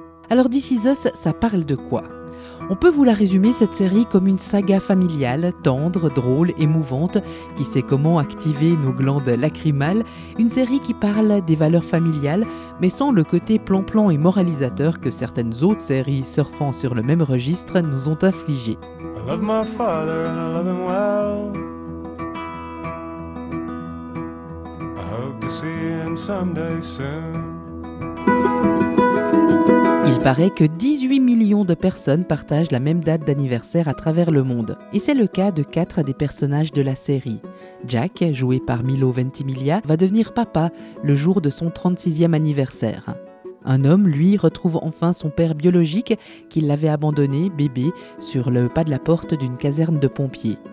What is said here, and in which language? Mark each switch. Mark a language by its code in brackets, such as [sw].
[fr] Alors This Is Us, ça parle de quoi ? On peut vous la résumer, cette série, comme une saga familiale, tendre, drôle, émouvante, qui sait comment activer nos glandes lacrymales, une série qui parle des valeurs familiales, mais sans le côté plan-plan et moralisateur que certaines autres séries surfant sur le même registre nous ont infligé. [en] I love my father and I love him well. I hope to see him someday soon. [fr] Il paraît que 18 millions de personnes partagent la même date d'anniversaire à travers le monde. Et c'est le cas de 4 des personnages de la série. Jack, joué par Milo Ventimiglia, va devenir papa le jour de son 36e anniversaire. Un homme, lui, retrouve enfin son père biologique qui l'avait abandonné, bébé, sur le pas de la porte d'une caserne de pompiers.